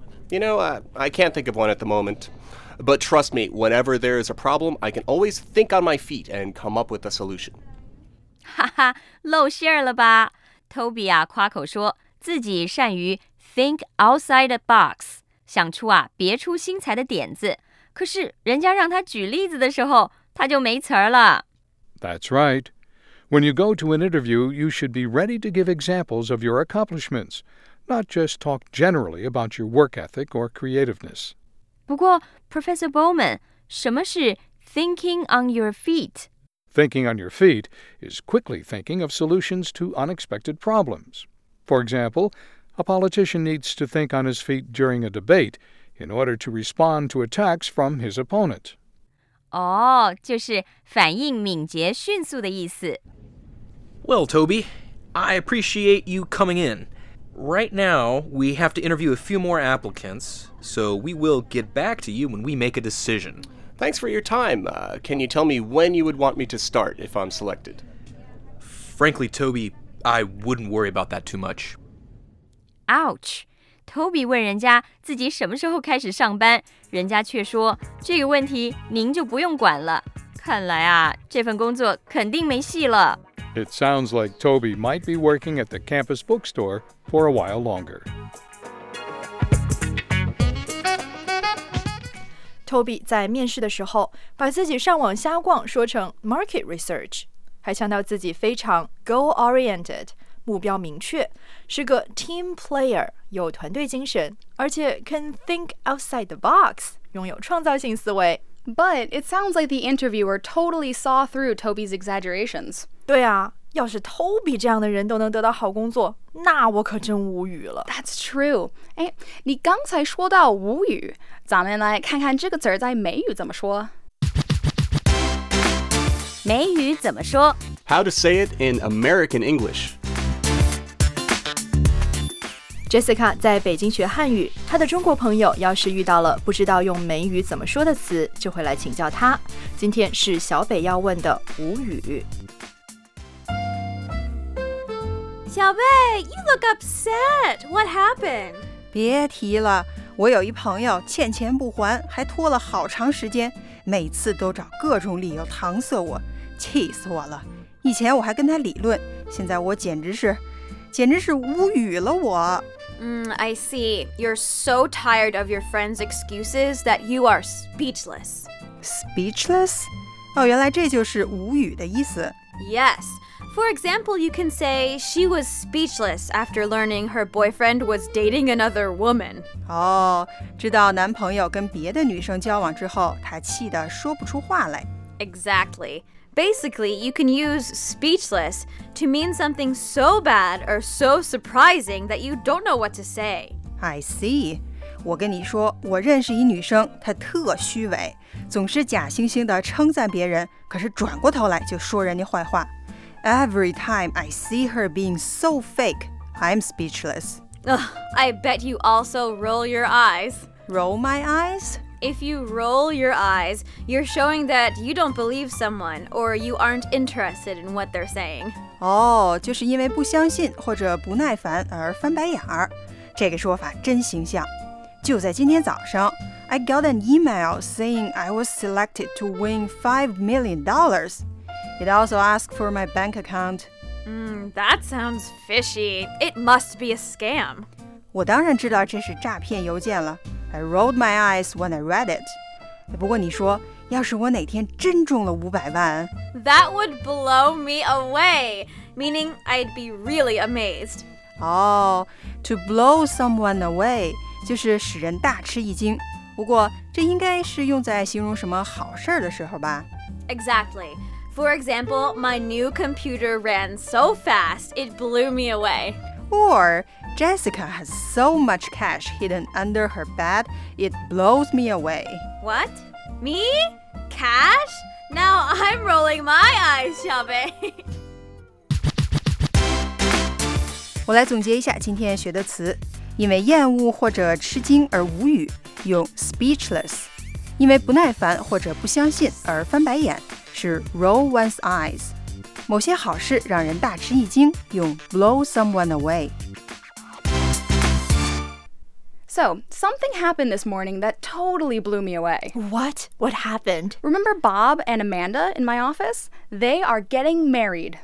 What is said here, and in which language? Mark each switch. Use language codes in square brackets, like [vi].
[en] I can't think of one at the moment. But trust me, whenever there is a problem, I can always think on my feet and come up with a solution. [zh] 哈哈，露馅了吧。 Toby 啊，夸口说自己善于 [en] think outside the box. [zh] 想出啊别出心裁的点子，可是人家让他举例子的时候，他就没词儿了。 [en] That's right. When you go to an interview, you should be ready to give examples of your accomplishments, not just talk generally about your work ethic or creativeness. 不过 Professor Bowman 什么是 thinking on your feet? Thinking on your feet is quickly thinking of solutions to unexpected problems. For example, a politician needs to think on his feet during a debate in order to respond to attacks from his opponent. [zh] 哦，就是反应敏捷迅速的意思。 [en] Well, Toby, I appreciate you coming in. Right now, we have to interview a few more applicants, so we will get back to you when we make a decision. Thanks for your time. Can you tell me when you would want me to start if I'm selected? Frankly, Toby, I wouldn't worry about that too much. Ouch! [zh] Toby 问人家自己什么时候开始上班，人家却说，这个问题您就不用管了。看来啊，这份工作肯定没戏了。 [en] It sounds like Toby might be working at the campus bookstore for a while longer. [zh] Toby 在面试的时候把自己上网瞎逛说成 [en] market research， [zh] 还强调自己非常 [en] goal oriented， [zh] 目标明确，是个 [en] team player， [zh] 有团队精神，而且 [en] can think outside the box， [zh] 拥有创造性思维。 [en] But it sounds like the interviewer totally saw through Toby's exaggerations. [zh] 对啊，要是 Toby 这样的人都能得到好工作，那我可真无语了。 [en] That's true. [zh] 哎，你刚才说到无语，咱们来看看这个词在美语怎么说。美语怎么说？ [en] How to say it in American English. [zh] Jessica 在北京学汉语，她的中国朋友要是遇到了不知道用美语怎么说的词，就会来请教她。今天是小北要问的无语。 [en] 小北 ，You look upset. What happened? [zh] 别提了，我有一朋友欠钱不还，还拖了好长时间，每次都找各种理由搪塞我，气死我了。以前我还跟他理论，现在我简直是无语了我。 [en] I see. You're so tired of your friend's excuses that you are speechless. Speechless? [zh] 哦，原来这就是无语的意思。 [en] Yes. For example, you can say she was speechless after learning her boyfriend was dating another woman. [zh] 哦，知道男朋友跟别的女生交往之后，她气得说不出话来。 [en] Exactly. Basically, you can use speechless to mean something so bad or so surprising that you don't know what to say. I see. [zh] 我跟你说，我认识一女生，她特虚伪，总是假惺惺地称赞别人，可是转过头来就说人家坏话。 [en] Every time I see her being so fake, I'm speechless. Ugh, I bet you also roll your eyes. Roll my eyes? If you roll your eyes, you're showing that you don't believe someone or you aren't interested in what they're saying. [zh] 哦，就是因为不相信或者不耐烦而翻白眼儿。这个说法真形象。就在今天早上， [en] I got an email saying I was selected to win $5 million. It also asked for my bank account. That sounds fishy. It must be a scam. [zh] 我当然知道这是诈骗邮件了。 [en] I rolled my eyes when I read it. [zh] 不过你说，要是我哪天真中了500万 [en] That would blow me away, meaning I'd be really amazed. Oh, to blow someone away [zh] 就是使人大吃一惊。不过这应该是用在形容什么好事的时候吧。 [en] Exactly. For example, my new computer ran so fast, it blew me away. Or... Jessica has so much cash hidden under her bed, it blows me away. What? Me? Cash? Now I'm rolling my eyes, 小贝。 [zh] 我来总结一下今天学的词。因为厌恶或者吃惊而无语，用 speechless。因为不耐烦或者不相信而翻白眼，是 [en] roll one's eyes。 [zh] 某些好事让人大吃一惊，用 [en] blow someone away。 So, something happened this morning that totally blew me away. What? What happened? Remember Bob and Amanda in my office? They are getting married.